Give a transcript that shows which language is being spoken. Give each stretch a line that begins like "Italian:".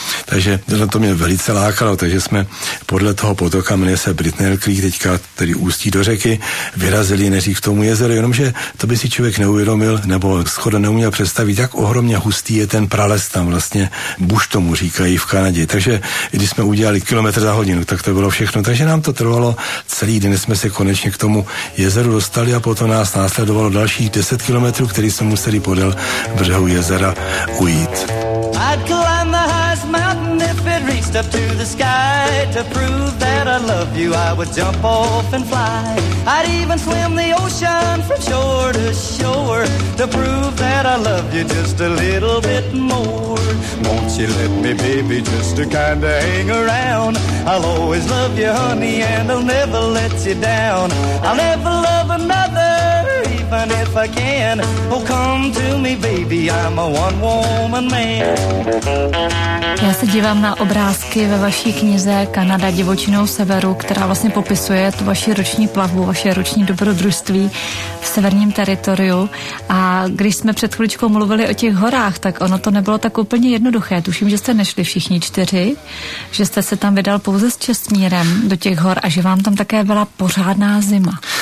Czech: Takže to mě velice lákalo, takže jsme podle toho potoka, jmenuje se Britnell Creek, teďka tady ústí do řeky, vyrazili neřík k tomu jezeru, jenomže to by si člověk neuvědomil, nebo skoro neuměl představit, jak ohromně hustý je ten prales tam vlastně, buš tomu říkají v Kanadě. Takže když jsme udělali kilometr za hodinu, tak to bylo všechno. Takže nám to trvalo celý den, jsme se konečně k tomu jezeru dostali a potom nás následovalo dalších 10 kilometrů, který jsme museli podél břehu jezera ujít.
English: I'd climb the highest mountain if it reached up to the sky. To prove that I love you, I would jump off and fly. I'd even swim the ocean from shore to shore. To prove that I love you just a little bit more. Won't you let me, baby, just to kind of hang around? I'll always love you, honey, and I'll never let you down. I'll never love another. If I can, oh, come to me, baby, I'm a one-woman man.
Czech: Já se dívám na obrázky ve vaší knize Kanada divočinou severu, která vlastně popisuje tu vaši roční plavbu, vaše roční dobrodružství v severním teritoriu. A když jsme před chvíličkou mluvili o těch horách, tak ono to nebylo tak úplně jednoduché. Tuším, že jste nešli všichni čtyři, že jste se tam vydal pouze s Čestmírem do těch hor a že vám tam také byla pořádná zima.